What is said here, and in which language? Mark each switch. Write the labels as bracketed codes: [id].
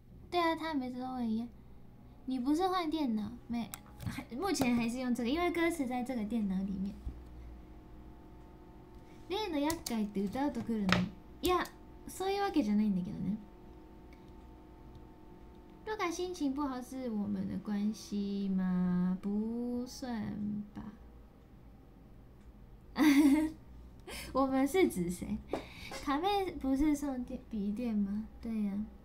[zh] 对啊，他每次都会一样。你不是换电脑没？目前还是用这个，因为歌词在这个电脑里面。 [ja] 例の厄介って歌うと来るの？いや、そういうわけじゃないんだけどね。 [zh] 如果心情不好是我们的关系吗？不算吧。我们是指谁？卡妹不是送笔电吗？对呀、啊。